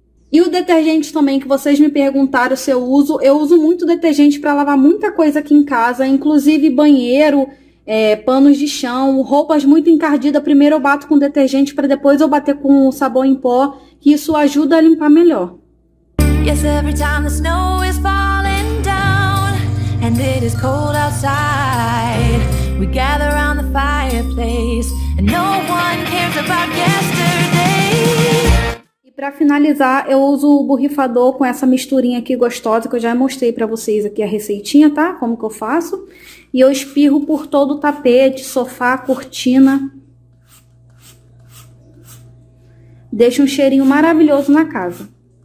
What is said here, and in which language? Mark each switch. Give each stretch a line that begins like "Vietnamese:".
Portuguese: E o detergente também que vocês me perguntaram se eu uso muito detergente para lavar muita coisa aqui em casa, inclusive banheiro, panos de chão, roupas muito encardidas. Primeiro eu bato com detergente para depois eu bater com o sabão em pó, que isso ajuda a limpar melhor.
English: Yes, every time the snow is falling down and it is cold outside, we gather around the fireplace and no one cares about yesterday.
Portuguese: E para finalizar, eu uso o borrifador com essa misturinha aqui gostosa que eu já mostrei para vocês aqui a receitinha, tá? Como que eu faço? E eu espirro por todo o tapete, sofá, cortina. Deixa um cheirinho maravilhoso na casa.